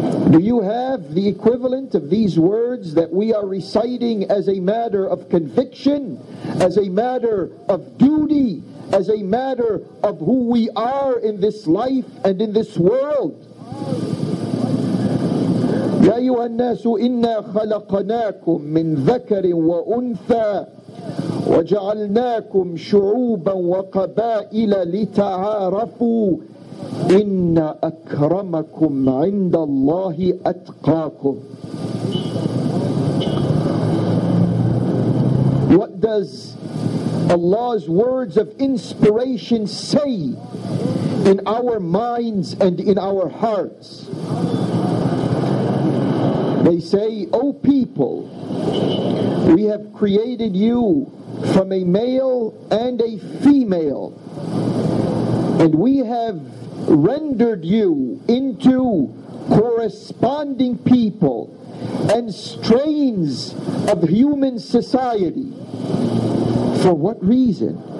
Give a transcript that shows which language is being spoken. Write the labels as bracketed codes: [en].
[en] Do you have the equivalent of these words that we are reciting as a matter of conviction, as a matter of duty, as a matter of who we are in this life and in this world? [ar] يا أيها الناس إنا خلقناكم من ذكر وأنثى وجعلناكم شعوبا وقبائل لتعارفوا إن أكرمكم عند الله أتقاكم. [en] What does Allah's words of inspiration say in our minds and in our hearts? They say, O people, we have created you from a male and a female, and we have rendered you into corresponding people and strains of human society. For what reason?